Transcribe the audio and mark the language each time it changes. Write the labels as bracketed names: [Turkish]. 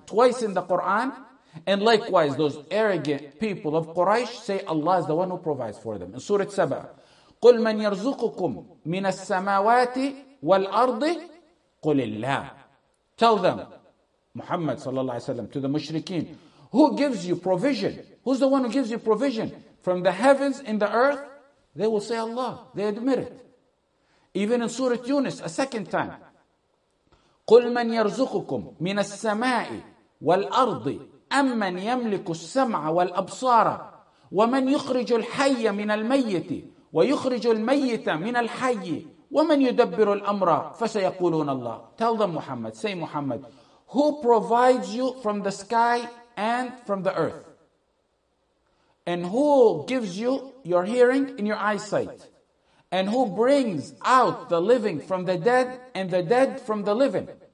[English] Twice in the Quran, and likewise, those arrogant people of Quraysh say Allah is the one who provides for them. In Surah Saba, [Arabic] قُلْ مَنْ يَرْزُقُكُمْ مِنَ السَّمَاوَاتِ وَالْأَرْضِ قُلِ اللَّهِ. [English] Tell them, Muhammad sallallahu alayhi wa sallam, to the mushrikeen, who gives you provision? Who's the one who gives you provision? From the heavens and the earth? They will say Allah. They admit it. Even in Surah Yunus, a second time, [Arabic] قُلْ مَنْ يَرْزُقُكُمْ مِنَ السَّمَاءِ وَالْأَرْضِ أَمَّنْ يَمْلِكُ السَّمْعَ وَالْأَبْصَارَ وَمَنْ يُخْرِجُ الْحَيَّ مِنَ الْمَيِّتِ وَيُخْرِجُ الْمَيِّتَ مِنَ الْحَيِّ وَمَنْ يُدَبِّرُ الْأَمْرَ فَسَيَقُولُونَ اللَّهُ. [English] Tell them, Muhammad, say Muhammad, who provides you from the sky and from the earth? And who gives you your hearing and your eyesight? And who brings out the living from the dead and the dead from the living?